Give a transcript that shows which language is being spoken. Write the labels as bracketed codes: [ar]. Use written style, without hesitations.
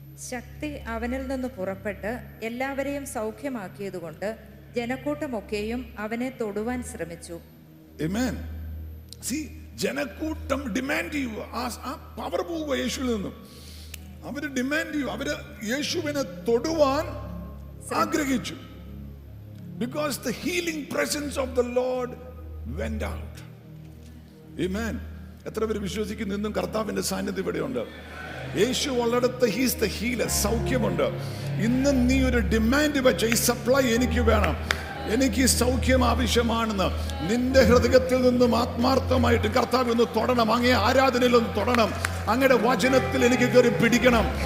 [ml] ശക്തി അവനിൽ നിന്ന് പുറപ്പെട്ട് എല്ലാവരെയും സൗഖ്യമാക്കിയത് കൊണ്ട് ജനക്കൂട്ടമൊക്കെയും അവനെ തൊടുവാൻ ശ്രമിച്ചു. ആമേൻ. സീ, ജനക്കൂട്ടം ഡിമാൻഡ് ചെയ്യുക, ആ പവർ പോവുക യേശുവിൽ നിന്നും. അവര് ഡിമാൻഡ് ചെയ്യുക, അവര് യേശുവിനെ തൊടുവാൻ ആഗ്രഹിച്ചു. [en] Because the healing presence of the Lord went out. Amen. [ml] എത്ര പേര് വിശ്വസിക്കുന്നു ഇന്നും കർത്താവിന്റെ സാന്നിധ്യം ഇവിടെയുണ്ട്? യേശു ഉള്ളിടത്ത് [en] he is the healer, [ml] സൗഖ്യമുണ്ട്. ഇന്ന് നീ ഒരു ഡിമാൻഡ് വെച്ച, ഈ സപ്ലൈ എനിക്ക് വേണം, എനിക്ക് ഈ സൗഖ്യം ആവശ്യമാണെന്ന് നിന്റെ ഹൃദയത്തിൽ നിന്നും ആത്മാർത്ഥമായിട്ട് കർത്താവ് ഒന്ന് തൊടണം, അങ്ങേ ആരാധനയിൽ ഒന്ന് തൊടണം, അങ്ങയുടെ വചനത്തിൽ എനിക്ക് കയറി പിടിക്കണം.